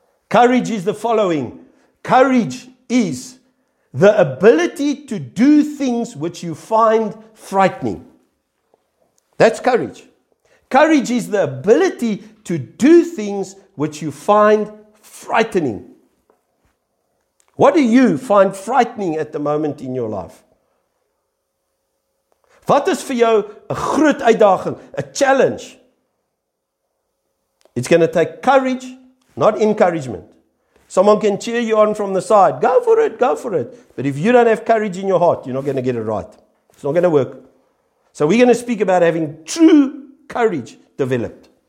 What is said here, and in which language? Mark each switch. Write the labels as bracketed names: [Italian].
[English] Courage is the following. Courage is the ability to do things which you find frightening. That's courage. Courage is the ability to do things which you find frightening. What do you find frightening at the moment in your life? [Afrikaans] Wat is vir jou 'n groot uitdaging, [English] a challenge? It's going to take courage, not encouragement. Someone can cheer you on from the side. Go for it, go for it. But if you don't have courage in your heart, you're not going to get it right. It's not going to work. So we're going to speak about having true courage developed.